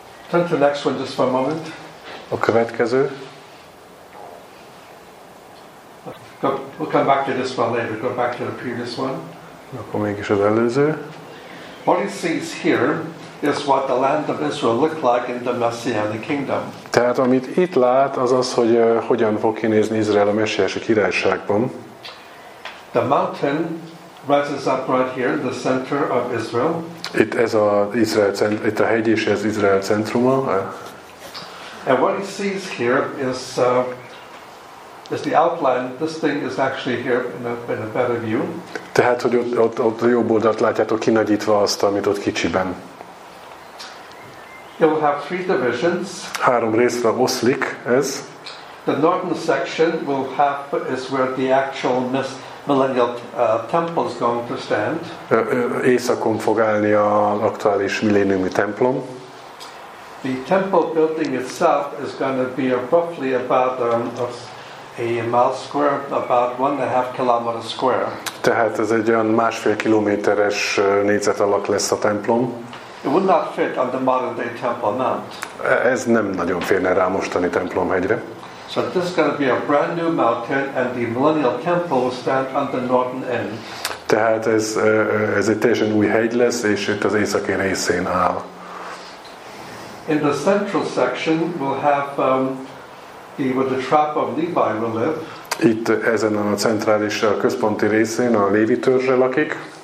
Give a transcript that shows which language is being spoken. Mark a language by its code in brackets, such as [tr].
[en] Turn to the next one just for a moment. [hu] A következő. [en] We'll come back to this one later. Go back to the previous one. [hu] Akkor mégis az előző. [en] What he sees here is what the land of Israel looked like in the Messianic kingdom. [hu] Tehát amit itt lát, az az, hogy hogyan fog kinézni Izrael a messiási királyságban. [en] The mountain rises up right here in the center of Israel. [hu] Itt ez az Izrael itt a hegy és ez Izrael centruma. [en] And what he sees here is the outline. This thing is actually here in a better view. [hu] Tehát hogy ott a jobb oldalt látjátok kinagyítva azt, amit ott kicsiben. [en] It will have three divisions. [hu] Három részre oszlik ez. [en] The northern section will have is where the actual millennial temple is going to stand. [hu] Északon fog állni az aktuális milléniumi templom. [en] The temple building itself is going to be roughly about a mile square, about 1.5 kilometers square. [hu] Tehát ez egy olyan másfél kilométeres négyzetalak lesz a templom. [en] It would not fit on the modern day Temple Mount. [hu] Ez nem nagyon férne rá mostani templomhegyre. [en] So this is going to be a brand new mountain, and the millennial temple will stand on the northern end. [hu] Tehát ez egy teljesen új hegy lesz, és itt az északi részén áll. [en] In the central section we'll have the tribe of Levi will live. [hu] Itt ezen a centrális, a központi részén a Lévi törzse lakik.